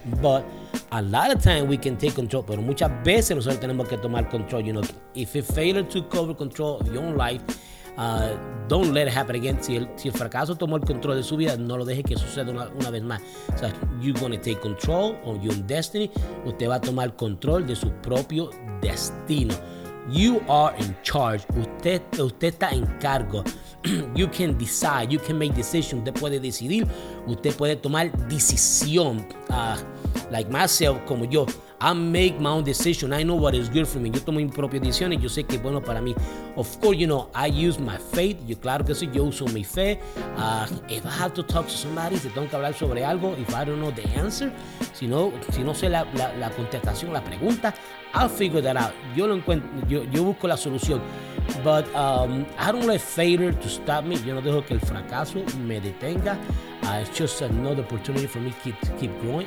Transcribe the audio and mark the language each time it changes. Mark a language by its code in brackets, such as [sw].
[en] But a lot of times we can take control. Pero muchas veces nosotros tenemos que tomar control, you know. If you fail to cover control of your own life, don't let it happen again. [es] Si el fracaso tomó el control de su vida, no lo deje que suceda una vez más. [en] So, you're going to take control of your destiny. [es] Usted va a tomar control de su propio destino. [en] You are in charge. Usted está en cargo. You can decide. You can make decisions. Usted puede decidir. [es] Usted puede tomar decisión. Like myself, como yo. [en] I make my own decision. I know what is good for me. Yo tomo mis propias decisiones. Yo sé qué es bueno para mí. Of course, you know, I use my faith. [es] Yo, claro que sí, yo uso mi fe. [en] If I have to talk to somebody, si tengo que hablar sobre algo, if I don't know the answer, si no sé la contestación, la pregunta, I'll figure that out. [es] Yo lo encuentro, yo busco la solución. [en] But I don't let failure to stop me. [es] Yo no dejo que el fracaso me detenga. [en] It's just another opportunity for me to keep growing.